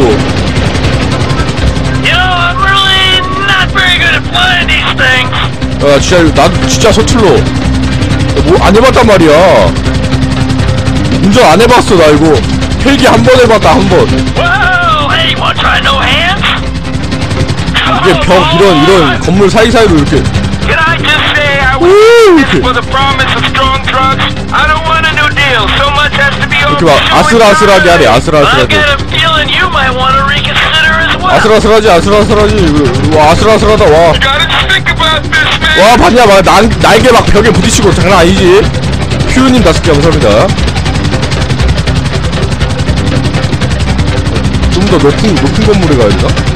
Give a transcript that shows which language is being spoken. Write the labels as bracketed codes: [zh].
[en] Yo, I'm really not very good at flying these things. [ko] 야, 진짜 나도 진짜 서툴러. 뭐 안 해봤단 말이야. 운전 안 해봤어 나 이거. 헬기 한번 해봤다 한 번. [en] Wow, hey, wanna try no hands? [ko] 이게 벽 이런 건물 사이사이로 이렇게. [en] Can I just say I was here for the promise of strong trucks? I don't want a new deal. So much has to be over. [ko] 이렇게 막 아슬아슬하게 하네. 아슬아슬하게. [en] I got a feeling you might wanna reconsider as well. [ko] 아슬아슬하지. 와 아슬아슬하다 와. [en] You gotta just think about this, man. [ko] 와 봤냐 막 날개 막 벽에 부딪히고 장난 아니지. 퓨우님 다섯 개 감사합니다. 좀 더 높은 건물에 가야 된다?